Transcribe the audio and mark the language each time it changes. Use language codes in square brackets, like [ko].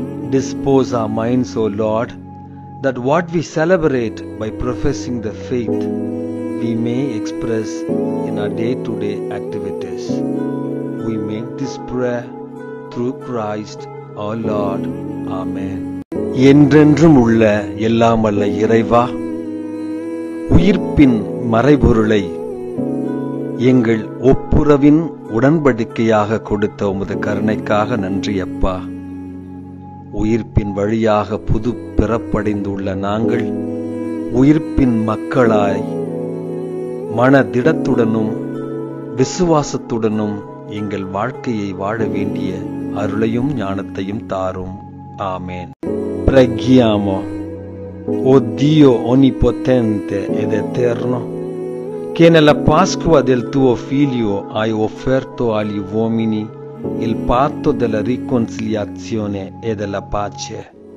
[en] Dispose our minds, O Lord, that what we celebrate by professing the faith, we may express in our day-to-day activities. We make this prayer through Christ our Lord. Amen. [ta] என்றென்றும் உள்ள எல்லாம் வல்ல இறைவா, உயிர்ப்பின் மறைபொருளை எங்கள் ஒப்புரவின் உடன்படிக்கையாக கொடுத்த உமது கருணைக்காக நன்றி அப்பா. உயிர்ப்பின் வழியாக புது பிறப்படைந்துள்ள நாங்கள் உயிர்ப்பின் மக்களாய் மன திடத்துடனும் விசுவாசத்துடனும் எங்கள் வாழ்க்கையை வாழ வேண்டிய அருளையும் ஞானத்தையும் தாரும். ஆமேன். [it] Preghiamo, o Dio onnipotente ed eterno, che nella Pasqua del tuo Figlio hai offerto agli uomini il patto della riconciliazione e della pace.